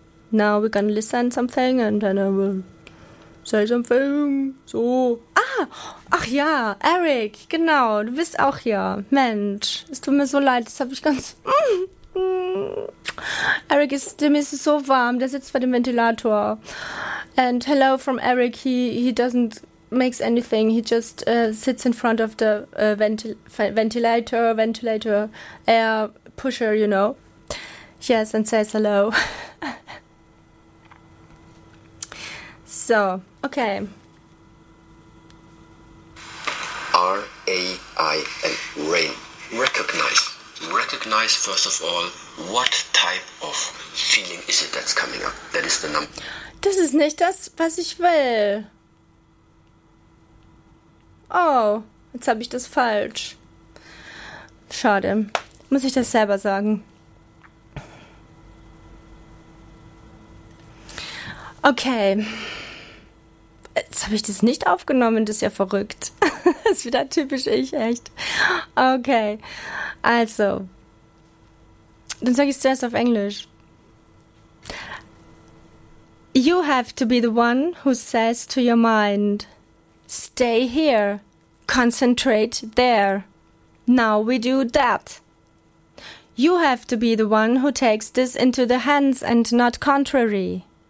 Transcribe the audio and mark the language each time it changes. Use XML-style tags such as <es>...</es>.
<en>Now we're gonna listen something and then I will say something. So.</en> <de>Ah, ach ja, Eric, genau, du bist auch hier. Mensch, es tut mir so leid, das habe ich ganz...</de> <en>Eric is,</en> <de>dem ist so warm, der sitzt vor dem Ventilator.</de> <en>And hello from Eric, he doesn't make anything, he just sits in front of the ventilator, air pusher, you know. Yes, and says hello. So, okay. R-A-I-N, rain, recognize first of all, what type of feeling is it that's coming up? That is the number.</en> <de>Das ist nicht das, was ich will. Oh, jetzt habe ich das falsch. Schade. Muss ich das selber sagen? Okay. Jetzt habe ich das nicht aufgenommen, das ist ja verrückt. Das ist wieder typisch ich, echt. Okay. Also. Dann sage ich es zuerst auf Englisch.</de> <en>You have to be the one who says to your mind, stay here, concentrate there. Now we do that. You have to be the one who takes this into the hands and not contrary.</en>